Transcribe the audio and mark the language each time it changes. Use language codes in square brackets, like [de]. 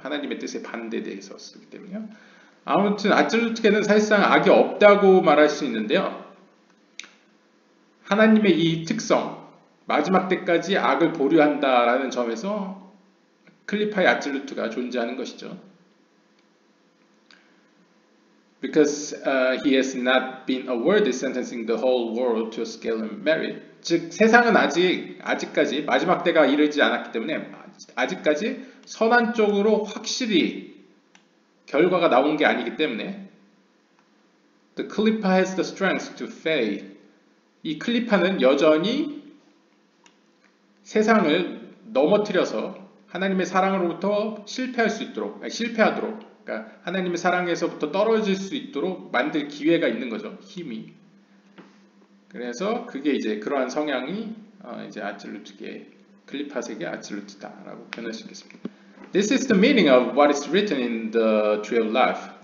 [ko] 하나님의 뜻에 반대돼서 쓰기 때문에요. 아무튼 아틀루트계는 사실상 악이 없다고 말할 수 있는데요. 하나님의 이 특성 마지막 때까지 악을 보류한다라는 점에서 클리파의 아틀루트가 존재하는 것이죠. [en] Because he has not been awarded sentencing the whole world to a scale of merit. [ko] 즉, 세상은 아직까지 마지막 때가 이르지 않았기 때문에 아직까지 선한 쪽으로 확실히 결과가 나온 게 아니기 때문에 [en] The Klipa has the strength to fail. [ko] 이 클리파는 여전히 세상을 넘어뜨려서 하나님의 사랑으로부터 실패하도록 그러니까 하나님의 사랑에서부터 떨어질 수 있도록 만들 기회가 있는 거죠. 힘이. 그래서 그게 이제 그러한 성향이 이제 아틀루트계 클리파 세계 아틀루트다라고 표현할 수 있겠습니다. [en] This is the meaning of what is written in the Tree of Life.